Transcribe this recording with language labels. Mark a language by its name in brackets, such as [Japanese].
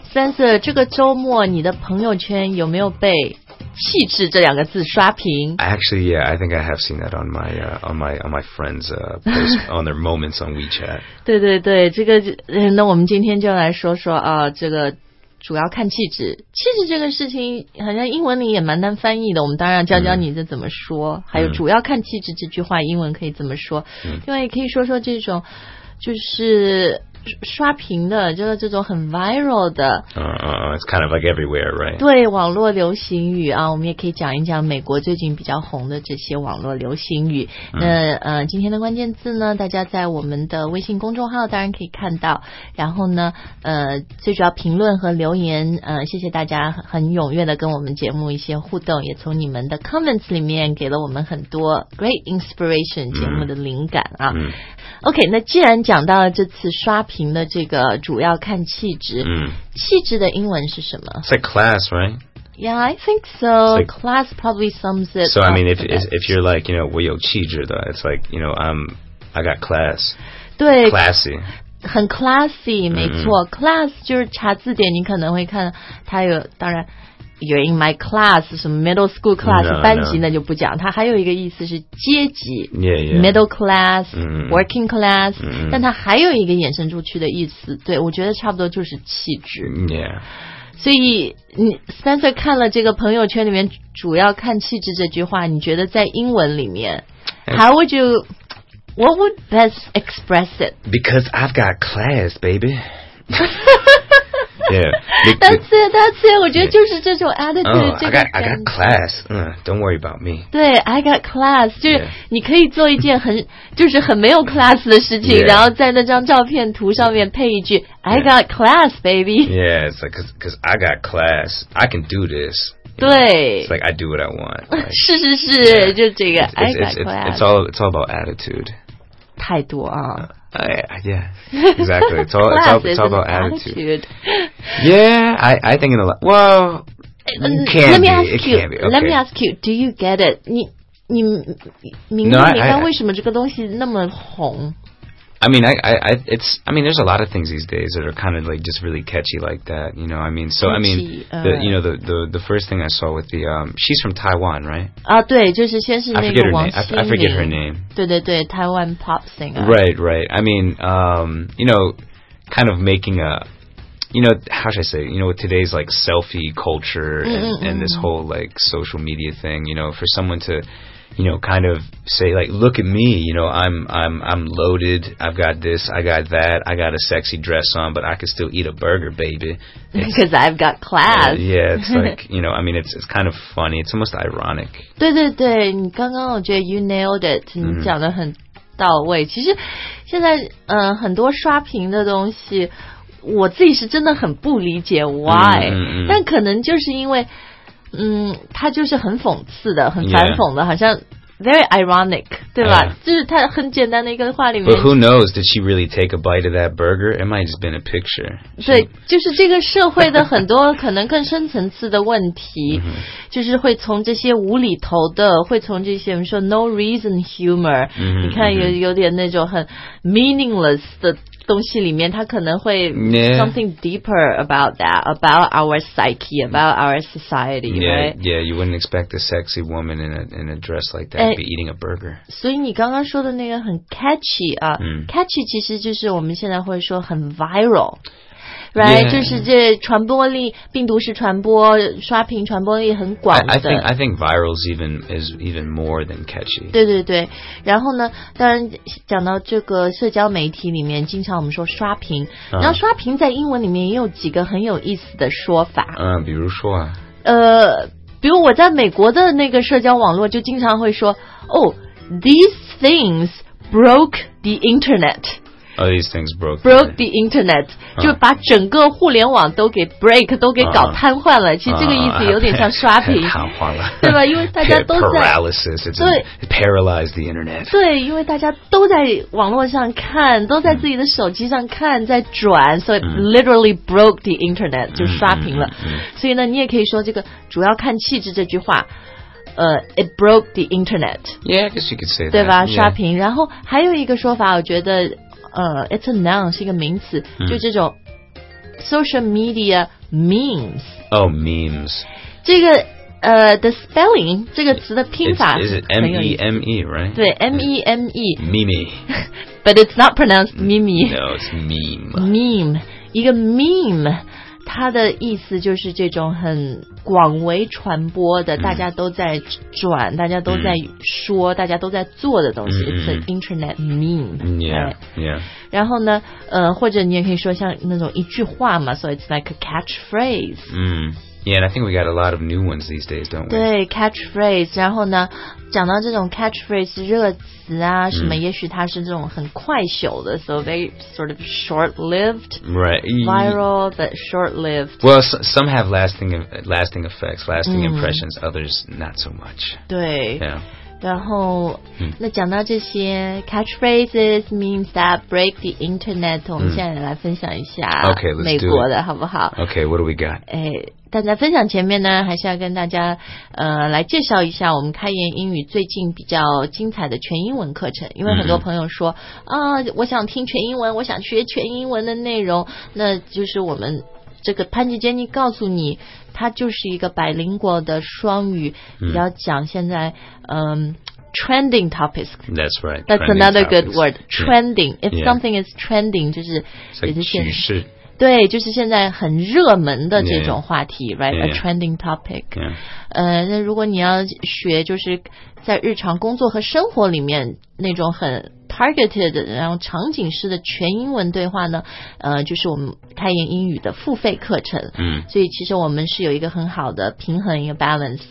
[Chinese] Spencer, 这个周末你的朋友圈有没有被气质这两个字刷屏？ [English] Actually, yeah, I think I have seen that on my friends, post on their moments on WeChat. [Chinese] 对对对，这个，那我们今天就来说说啊，这个主要看气质。气质这个事情好像英文里也蛮难翻译的，我们当然教教你这怎么说，还有主要看气质这句话英文可以怎么说。另外也可以说说这种就是刷屏的，就是这种很 viral 的。 [English] It's kind of like everywhere, right? [Chinese] 对，网络流行语啊，我们也可以讲一讲美国最近比较红的这些网络流行语。那今天的关键字呢，大家在我们的微信公众号当然可以看到。然后呢，最主要评论和留言，谢谢大家很踊跃的跟我们节目一些互动，也从你们的 comments 里面给了我们很多 [English] great inspiration [Chinese] 节目的灵感啊。 OK, 那既然讲到了这次刷屏的这个主要看气质，气质的英文是什么？ [English] It's like class, right? Yeah, I think so. Like, class probably sums it up. So, I mean, if you're like, you know, [Chinese] 我有气质的, [English] it's like, you know, I got class. [Chinese] 对, [English] classy. [Chinese] 很 classy, 没错。 Class 就是查字典，你可能会看它有，当然 [English] you're in my class, [Chinese] 什么 middle school class, [English] no, [Chinese] 班级那就不讲。它还有一个意思是阶级 [English] yeah, yeah. middle class, working class, [Chinese] 但它还有一个衍生出去的意思，对，我觉得差不多就是气质。所以你 Spencer 看了这个朋友圈里面主要看气质这句话，你觉得在英文里面 [English] how would you... What would best express it? Because I've got class, baby. That's it, that's it. [Chinese] 我觉得就是这种 attitude. [English] I got class. Don't worry about me. 对, I got class. [Chinese] 就是你可以做一件很就是很没有 class 的事情，然后在那张照片图上面配一句 [English] I got class, baby. Yeah, it's like, because I got class. I can do this. [Chinese] 对 [English] It's like I do what I want like, [Chinese] 是是是、 [English] yeah. [Chinese] 就这个 [English] it's all about attitude [Chinese] 态度啊、 [English] Exactly it's all about attitude Yeah I think in a lot Well Let me ask you Do you get it [Chinese] 你明白你刚为什么这个东西那么红 [English] I mean there's a lot of things these days that are kind of like just really catchy like that, you know, I mean, so, I mean, the, you know, the first thing I saw with the, she's from Taiwan, right? [Chinese] 啊对就是先是那个王心凌 [English] I forget her name. [Chinese] 对对对 [English] Taiwan pop singer. Right, right. I mean, you know, kind of making a, you know, how should I say, you know, with today's like selfie culture and this whole like social media thing, you know, for someone to... You know, kind of say like, look at me. You know, I'm loaded. I've got this. I got that. I got a sexy dress on, but I can still eat a burger, baby. Because I've got class. Yeah, it's like you know. I mean, it's kind of funny. It's almost ironic. [Chinese] 对对对，你刚刚我觉得 [English] you nailed it. [Chinese] 你讲得很到位。其实现在很多刷屏的东西，我自己是真的很不理解 why. 但可能就是因为。他就是很讽刺的很反讽的、 yeah. 好像 [English] very ironic [Chinese] 对吧、就是他很简单的一个话里面 [English] But who knows did she really take a bite of that burger it might have been a picture [Chinese] 对就是这个社会的很多可能更深层次的问题就是会从这些无厘头的会从这些我们说 [English] no reason humor [Chinese] 你看有点那种很 meaningless 的东西里面它可能会 [English] something deeper about that about our psyche about our society yeah you wouldn't expect a sexy woman in a dress like that to be eating a burger [Chinese] 所以你刚刚说的那个很 catchy 啊、catchy 其实就是我们现在会说很 viral right、 [English] yeah. [Chinese] 就是这传播力病毒式传播刷屏传播力很广的 [English] I think viral is even more than catchy [Chinese] 对对对然后呢当然讲到这个社交媒体里面经常我们说刷屏、然后刷屏在英文里面也有几个很有意思的说法比如说啊比如我在美国的那个社交网络就经常会说 [English] Oh, these things broke the internet All these things broke. Broke the internet,、 [Chinese] 就把整个互联网都给 break, 都给搞瘫痪了。其实这个意思有点像刷屏。瘫痪了。对吧，因为大家都在。 [English] Paralysis, it paralyzed the internet. [Chinese] 对，因为大家都在网络上看，都在自己的手机上看，在转，所以、 [English] so、literally broke the internet, [Chinese] 就刷屏了。所以呢，你也可以说这个主要看气质这句话。 [English] It broke the internet. Yeah, I guess you could say that. 对吧、 yeah. [Chinese] 刷屏。然后还有一个说法我觉得 [English] it's a noun, [Chinese] 是一个名词、mm. [English] 就这种 social media memes. Oh, memes. [Chinese] 这个 [English] the spelling, [Chinese] 这个词的拼法 [English] is it M-E-M-E, right? 对 M-E-M-E. Meme. But it's not pronounced meme. No, it's meme. Meme. 一个 meme. [Chinese] 它的意思就是这种很广为传播的、大家都在转大家都在说、大家都在做的东西、 [English] It's an internet meme Yeah,、 right? yeah [Chinese] 然后呢或者你也可以说像那种一句话嘛 [English] So it's like a catchphrase、 Yeah, and I think we got a lot of new ones these days, don't we? [Chinese] 对 catchphrase 然后呢讲到这种 catchphrase 热词啊什么、也许它是这种很快朽的 [English] So very sort of short-lived Right Viral, but short-lived Well, some have lasting effects, lasting impressions、Others, not so much [Chinese] 对 [English] Yeah [Chinese] 然后、那讲到这些 [English] catchphrases means that break the internet、 [Chinese] 我们现在来分享一下 [English] Okay, let's do it [Chinese] 美国的好不好 [English] Okay, what do we got? [Chinese] 但在分享前面呢还是要跟大家来介绍一下我们开言英语最近比较精彩的全英文课程因为很多朋友说啊、我想听全英文我想学全英文的内容那就是我们这个潘吉杰尼告诉你他就是一个百灵果的双语比较讲现在 [English] trending topics that's right that's another good word trending if something is trending [Chinese] 就是趋势对就是现在很热门的这种话题 [English] right? A trending topic [Chinese] 那如果你要学就是在日常工作和生活里面那种很 targeted 然后场景式的全英文对话呢就是我们开言英语的付费课程所以其实我们是有一个很好的平衡一个 balance